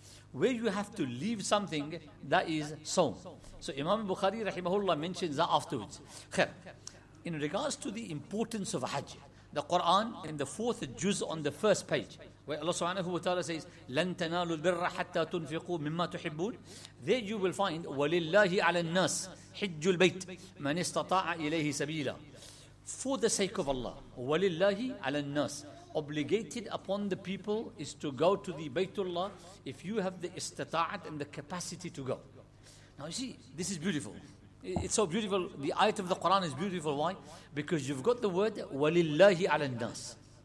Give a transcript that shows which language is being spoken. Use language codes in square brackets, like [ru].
[en] Where you have to leave something, that is sawm. So Imam Bukhari rahimahullah mentions that afterwards. Khair. in regards to the importance of Hajj, the Quran in the fourth juz on the first page, where Allah subhanahu wa ta'ala says, [ar] لَن تَنَالُوا الْبِرَّ حَتَّى تُنْفِقُوا مِمَّا تُحِبُّونَ. [en] There you will find, [ar] وَلِلَّهِ عَلَى النَّاسِ حِجُّ الْبَيْتِ مَنِ اسْتَطَاعَ إِلَيْهِ سَبِيلًا. [en] For the sake of Allah, [ar] وَلِلَّهِ عَلَى النَّاسِ, [en] obligated upon the people is to go to the Baytullah if you have the istata'at and the capacity to go. Now you see, this is beautiful. It's so beautiful. The ayat of the Quran is beautiful. Why? Because you've got the word walillahi ala nas.